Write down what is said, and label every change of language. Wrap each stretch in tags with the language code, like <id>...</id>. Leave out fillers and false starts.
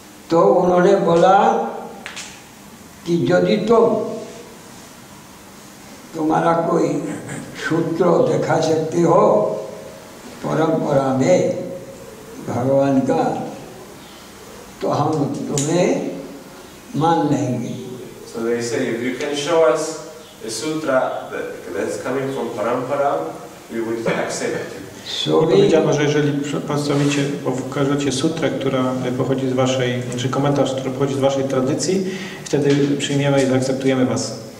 <hi>तो उन्होंने बोला कि यदि तुम्हारा कोई सूत्र दिखा सकते हो परंपरा में भगवान का, तो हम तुम्हें मान लेंगे।</hi> <en>So they say if you can show us a sutra that's coming from parampara, we will accept it.</en> <pl>Powiedziano, że jeżeli przedstawicie, pokażecie sutrę, która pochodzi z waszej, czy komentarz, który pochodzi z waszej tradycji, wtedy przyjmiemy i zaakceptujemy was.</pl>